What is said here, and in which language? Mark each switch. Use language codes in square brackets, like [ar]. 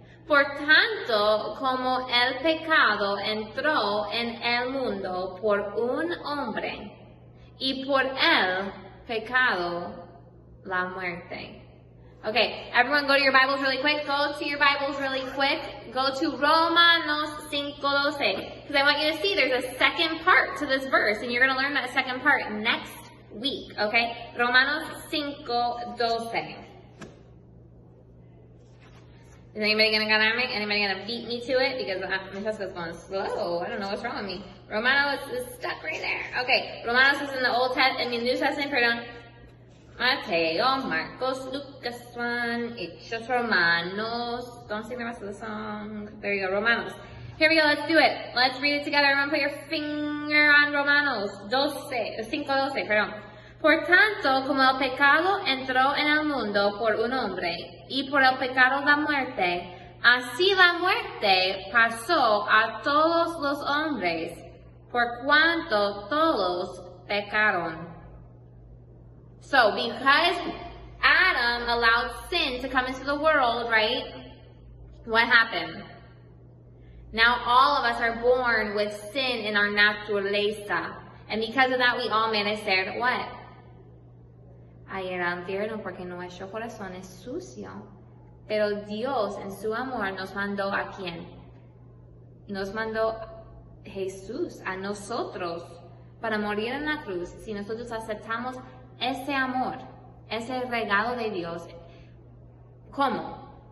[es] Por tanto, como el pecado entró en el mundo por un hombre, y por el pecado la muerte. [en] Okay, everyone go to your Bibles really quick. Go to your Bibles really quick. Go to Romanos 5:12. Because I want you to see there's a second part to this verse, and you're going to learn that second part next week, okay? Romanos 5:12. Is anybody gonna get on me? Anybody gonna beat me to it? Because my test is going slow. I don't know what's wrong with me. Romanos is stuck right there. Okay, Romanos is in the Old Testament, I mean New Testament, pardon. [es] Mateo, Marcos, Lucas, Juan, Hechos, Romanos. [en] Don't sing the rest of the song. There you go, Romanos. Here we go, let's do it. Let's read it together. Everyone put your finger on [es] Romanos 5:12, perdón. Por tanto, como el pecado entró en el mundo, mundo por un hombre y por el pecado la muerte, así la muerte pasó a todos los hombres por cuanto todos pecaron. [en] So because Adam allowed sin to come into the world, right? What happened? Now all of us are born with sin in our naturaleza. And because of that, we all merecer what? [es] A ir al infierno porque nuestro corazón es sucio. Pero Dios en su amor nos mandó a quién? Nos mandó Jesús, a nosotros, para morir en la cruz. Si nosotros aceptamos ese amor, ese regalo de Dios, ¿cómo?